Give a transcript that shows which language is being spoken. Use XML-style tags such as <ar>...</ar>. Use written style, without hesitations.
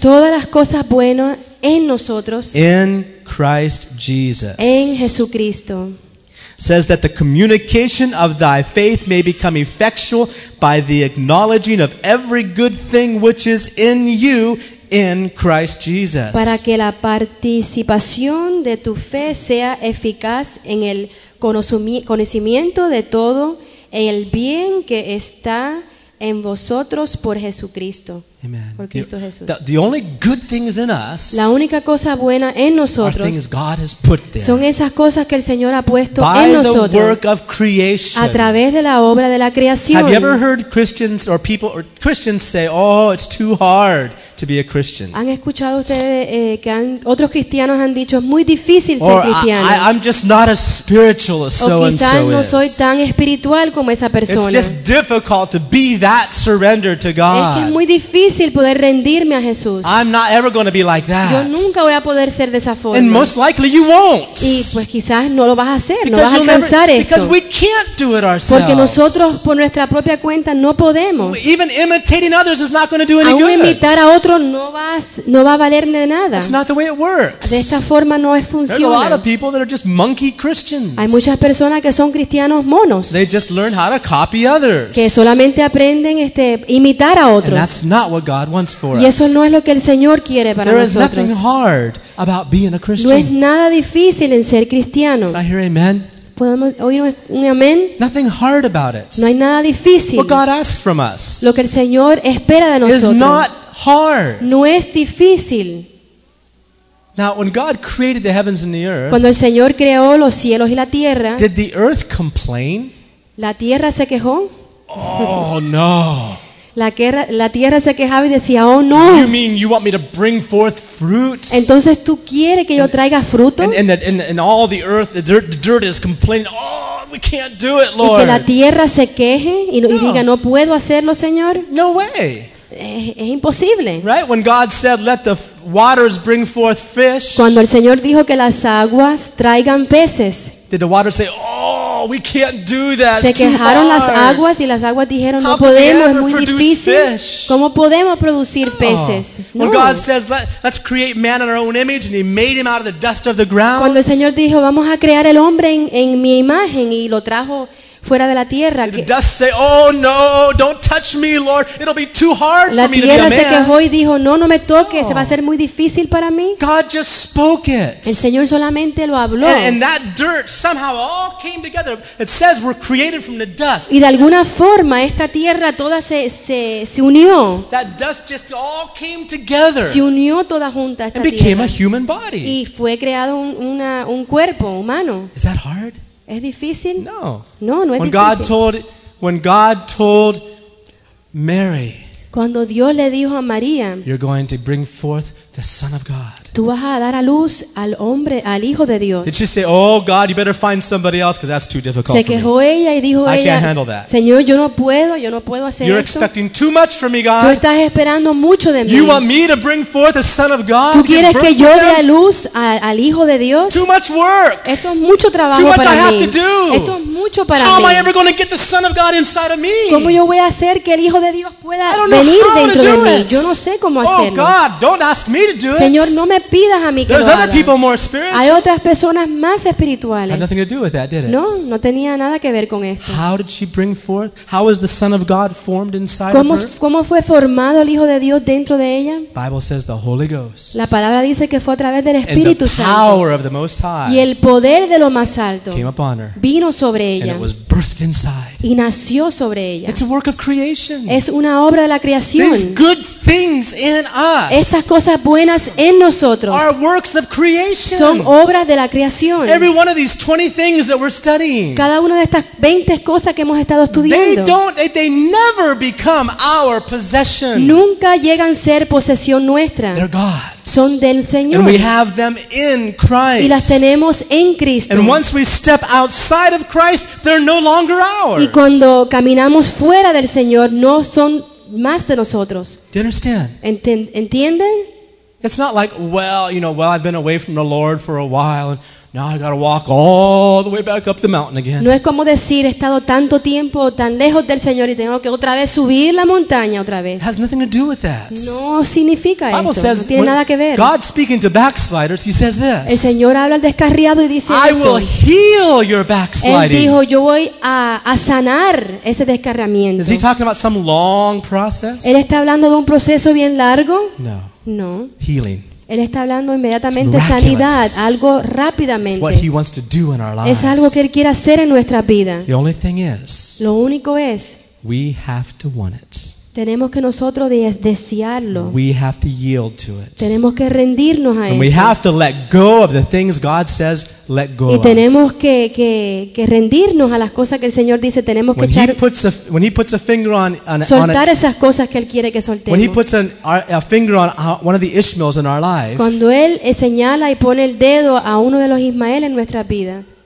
<es>Todas las cosas buenas en nosotros.</es> <en>In Christ Jesus.</en> <es>En Jesucristo.</es> <en>Says that the communication of thy faith may become effectual by the acknowledging of every good thing which is in you in Christ Jesus.</en> <es>Para que la participación de tu fe sea eficaz en el conocimiento de todo el bien que está en vosotros por Jesucristo.</es> <en>Amen.</en> <es>Por Cristo Jesús.</es> <en>The only good things in us.</en> <es>La única cosa buena en nosotros.</es> <en>Are things God has put there.</en> <es>Son esas cosas que el Señor ha puesto</es> <en>by</en> <es>en nosotros.</es> <en>The work of creation.</en> <es>A través de la obra de la creación.</es> <en>Have you ever heard Christians or people or Christians say, "Oh, it's too hard to be a Christian"?</en> <es>¿Han escuchado ustedes que otros cristianos han dicho es muy difícil ser cristiano?</es> <en>I'm just not as spiritual as so and so is.</en> <es>O quizás no soy tan espiritual como esa persona.</es> <en>It's just difficult to be that surrendered to God.</en> <es>Es que es muy difícil poder rendirme a Jesús.</es> <en>I'm not ever going to be like that.</en> <es>Yo nunca voy a poder ser de esa forma.</es> <en>And most likely you won't.</en> <es>Y pues quizás no lo vas a hacer, no vas a alcanzar esto.</es> <en>Because we can't do it ourselves.</en> <es>Porque nosotros por nuestra propia cuenta no podemos.</es> <en>Even imitating others is not going to do any good.</en> <es>Aún imitar a otro no va a valer de nada.</es> <en>That's not the way it works.</en> <es>De esta forma no funciona.</es> <en>There are a lot of people that are just monkey Christians.</en> <es>Hay muchas personas que son cristianos monos.</es> <en>They just learn how to copy others.</en> <es>Que solamente aprenden imitar a otros.</es> <en>And that's not what God wants for us.</en> <es>Y eso no es lo que el Señor quiere para nosotros.</es> <en>There is nothing hard about being a Christian.</en> <es>No es nada difícil en ser cristiano.</es> <en>Can I hear amen?</en> <es>¿Podemos oír un amén?</es> <en>Nothing hard about it.</en> <es>No hay nada difícil.</es> <en>What God asks from us.</en> <es>Lo que el Señor espera de nosotros.</es> <en>Is not hard.</en> <es>No es difícil.</es> <en>Now, when God created the heavens and the earth,</en> <es>cuando el Señor creó los cielos y la tierra,</es> <en>did the earth complain?</en> <es>¿La tierra se quejó?</es> <en>Oh no.</en> <es>La tierra se quejaba y decía, oh no.</es> <en>You mean you want me to bring forth fruit?</en> <es>Entonces tú quieres que yo traiga fruto?</es> <en>And all the earth, the dirt is complaining, oh, we can't do it, Lord.</en> <es>Y que la tierra se queje y, no. Y diga, no puedo hacerlo, Señor.</es> <en>No way.</en> <es>Es imposible.</es> <en>Right? When God said, let the waters bring forth fish.</en> <es>Cuando el Señor dijo que las aguas traigan peces.</es> <en>Did the waters say, oh, we can't do that.</en> <es>Se quejaron las aguas y las aguas dijeron, no podemos, es muy difícil. ¿Cómo podemos producir peces?</es> <en>When God says, let's create man in our own image, and he made him out of the dust of the ground.</en> <es>Cuando el Señor dijo, vamos a crear el hombre en mi imagen y lo trajo fuera de la tierra.</es> <en>The dust say, oh no, don't touch me, Lord. It'll be too hard for me to be a man.</en> <es>La tierra se quejó y dijo, no, no me toques. Se va a ser muy difícil para mí.</es> <en>God just spoke it.</en> <es>El Señor solamente lo habló.</es> <en>And that dirt somehow all came together. It says we're created from the dust.</en> <es>Y de alguna forma esta tierra toda se unió.</es> <en>That dust just all came together.</en> <es>Se unió toda junta esta tierra.</es> <en>And became a human body.</en> <es>Y fue creado un cuerpo humano.</es> <en>Is that hard?</en> <es>¿Es difícil?</es> <en>No.</en> <es>No, no es</es> <en>when</en> <es>difícil.</es> <en>When God told Mary.</en> <es>Cuando Dios le dijo a María.</es> <en>You're going to bring forth the Son of God.</en> <es>Tú vas a dar a luz al hombre, al hijo de Dios.</es> <en>Did she say, "Oh God, you better find somebody else because that's too difficult"?</en> <es>Se quejó ella y dijo ella,</es> <en>I can't handle that.</en> <es>Señor, yo no puedo hacer esto.</es> <en>You're expecting too much from me, God.</en> <es>Tú estás esperando mucho de mí.</es> <en>You want me to bring forth the Son of God?</en> <es>Tú quieres que yo dé a luz al hijo de Dios?</es> <en>Too much work.</en> <es>Esto es mucho trabajo para mí.</es> <en>Too much I have to do.</en> <es>Esto es mucho para mí.</es> <en>How am I ever going to get the Son of God inside of me?</en> <es>¿Cómo yo voy a hacer que el hijo de Dios pueda venir dentro de mí? Yo no sé cómo hacerlo.</es> <en>Oh God, don't ask me to do it.</en> <es>Señor, no me pidas a mí que</es> <en>there's</en> <es>lo</es> <en>other</en> <es>haga.</es> <en>People more spiritual.</en> <es>Hay otras personas más espirituales.</es> <en>Had nothing to do with that, did it?</en> <es>No, no tenía nada que ver con esto.</es> <en>How did she bring forth? How was the Son of God formed inside</en> <es>¿Cómo,</es> <en>of her?</en> <es>¿Cómo fue formado el Hijo de Dios dentro de ella?</es> <en>Bible says the Holy Ghost.</en> <es>La palabra dice que fue a través del Espíritu</es> <en>and the</en> <es>Santo.</es> <en>Power of the Most High</en> <es>y el poder de lo más alto</es> <en>came upon her,</en> <es>vino sobre ella.</es> <en>And it was birthed inside.</en> <es>Y nació sobre ella.</es> <en>It's a work of creation.</en> <es>Es una obra de la creación.</es> <en>These good things in us.</en> <es>Estas cosas buenas en nosotros.</es> <en>Are works of creation.</en> <es>Son obras de la creación.</es> <en>Every one of these 20 things that we're studying.</en> <es>Cada una de estas 20 cosas que hemos estado estudiando.</es> <en>They never become our possession.</en> <es>Nunca llegan a ser posesión nuestra.</es> <en>They're God's.</en> <es>son del Señor.</es> <en>And we have them in Christ.</en> <es>Y las tenemos en Cristo.</es> <en>And once we step outside of Christ, they're no longer ours.</en> <es>Y cuando caminamos fuera del Señor, no son más de nosotros.</es> <en>Do you understand?</en> <es>¿Entienden?</es> <en>It's not like, well, you know, well, I've been away from the Lord for a while, and now I got to walk all the way back up the mountain again.</en> <es>No es como decir, he estado tanto tiempo tan lejos del Señor y tengo que otra vez subir la montaña otra vez.</es> <en>It has nothing to do with that.</en> <es>No significa eso. No tiene nada que ver.</es> <en>God speaking to backsliders, he says this.</en> <es>El Señor habla al descarriado y dice esto.</es> <en>I will heal your backsliding.</en> <es>Él dijo, yo voy a sanar ese descarriamiento.</es> <en>Is he talking about some long process?</en> <es>Él está hablando de un proceso bien largo.</es> <en>No.</en> <es>No.</es> <en>Healing.</en> <es>Él está hablando inmediatamente de sanidad, algo rápidamente.</es> <en>What he wants to do in our lives.</en> <es>Es algo que Él quiere hacer en nuestra vida.</es> <en>The only thing is,</en> <es>lo único es,</es> <en>we have to want it.</en> <es>Tenemos que nosotros desearlo.</es> <en>We have to yield to it.</en> <es>Tenemos que rendirnos a Él.</es> <en>We have to let go of the things God says let go of.</en> <es>Y tenemos que rendirnos a las cosas que el Señor dice, tenemos que echar.</es> <en>When he puts a finger on</en> <es>soltar esas cosas que Él quiere que soltemos.</es> <en>When he puts a finger on one of the Ishmaels in our life.</en> <es>Cuando Él señala y pone el dedo a uno de los Ismaeles en nuestra vida.</es>